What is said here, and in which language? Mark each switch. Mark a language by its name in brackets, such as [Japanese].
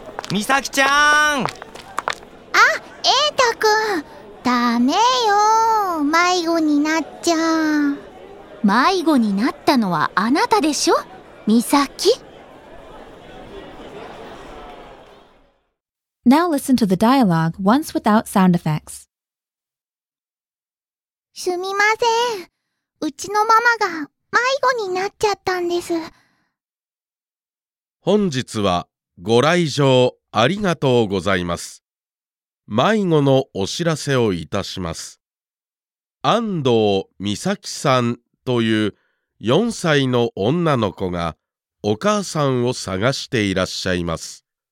[Japanese] 美咲ちゃん。あ、瑛太くん、ダメよ、迷子になっちゃう。迷子になったのはあなたでしょ、美咲。 [English] Now listen to the dialogue once without sound effects. [Japanese] すみません、うちのママが迷子になっちゃったんです。本日はご来場ありがとうございます。迷子のお知らせをいたします。安藤美咲さんという4歳の女の子がお母さんを探していらっしゃいます。